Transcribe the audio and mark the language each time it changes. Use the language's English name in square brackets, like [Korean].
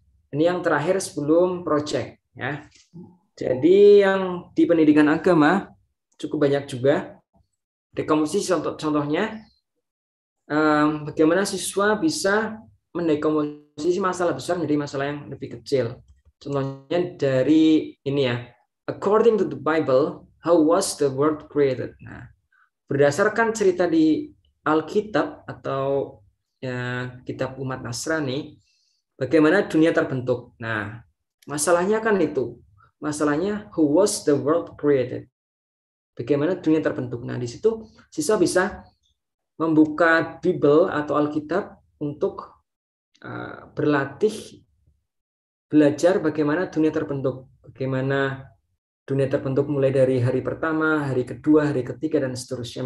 [Indonesian] Ini yang terakhir sebelum project ya. Jadi yang di pendidikan agama cukup banyak juga. Dekomposisi contohnya, bagaimana siswa bisa mendekomposisi masalah besar menjadi masalah yang lebih kecil. Contohnya dari ini ya. [English] According to the Bible, how was the world created? [Indonesian] Nah, berdasarkan cerita di Alkitab atau ya, kitab umat Nasrani, bagaimana dunia terbentuk? Nah, masalahnya kan itu. Masalahnya, [English] who was the world created? [Indonesian] Bagaimana dunia terbentuk? Nah, di situ siswa bisa membuka Bible atau Alkitab untuk berlatih, belajar bagaimana dunia terbentuk. Bagaimana dunia terbentuk mulai dari hari pertama, hari kedua, hari ketiga, dan seterusnya.